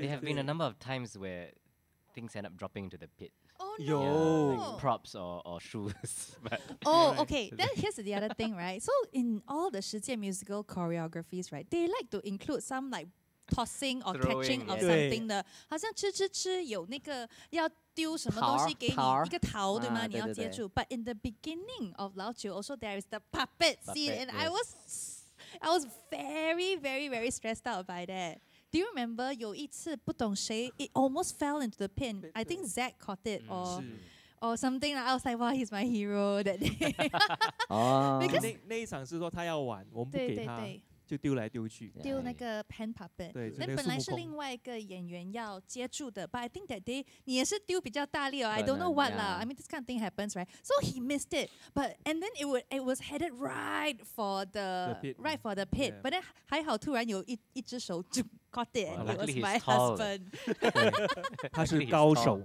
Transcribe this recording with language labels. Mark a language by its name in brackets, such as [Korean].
[English] There have been a number of times where things end up dropping into the pit. Oh no! Yeah, like props or shoes. But oh, okay. Then here's the other thing, right? So in all the 实践 musical choreographies, right, they like to include some like tossing or throwing, catching of something. [Chinese] The 好像吃吃吃有那个要丢什么东西给你一个桃，对吗？你要接住. [English] But in the beginning of 老九 also there is the puppet scene, and I was very very very stressed out by that. Do you remember [Chinese] 有一次不懂谁 [English] it almost fell into the pin. I think Zach caught it or something. I was like, wow, he's my hero that day. [Chinese] Because 那一场是说他要玩，我们不给他，就丢来丢去。丢那个 pen puppet. 对，那本来是另外一个演员要接住的， [English] but I think that day [Chinese] 你也是丢比较大力哦。 [English] I don't know what lah. I mean, this kind of thing happens, right? So he missed it, but and then it was headed right for the pit. But then [Chinese] 还好突然有一只手就。 [English] Caught it, and luckily it was my he's tall. Husband. [Chinese] 他是高手.